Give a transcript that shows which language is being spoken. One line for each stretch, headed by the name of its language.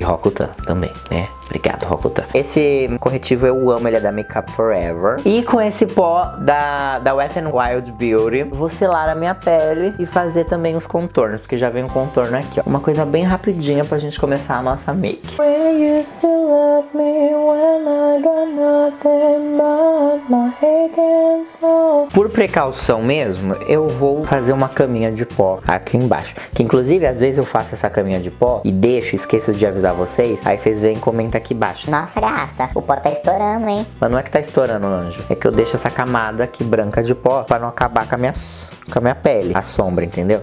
Portuguese: E Rokutan também, né? Obrigado, Rokutan. Esse corretivo eu amo, ele é da Make Up For Ever. E com esse pó da Wet n Wild Beauty, vou selar a minha pele e fazer também os contornos, porque já vem um contorno aqui, ó. Uma coisa bem rapidinha pra gente começar a nossa make.
English: Will you still love me when I got nothing but my aching soul?
Portuguese: Por precaução mesmo, eu vou fazer uma caminha de pó aqui embaixo. Que inclusive, às vezes eu faço essa caminha de pó e deixo, esqueço de avisar vocês, aí vocês vêm comentar aqui embaixo. Nossa, gata, o pó tá estourando, hein? Mas não é que tá estourando, anjo. É que eu deixo essa camada aqui branca de pó pra não acabar com a minha pele, a sombra, entendeu?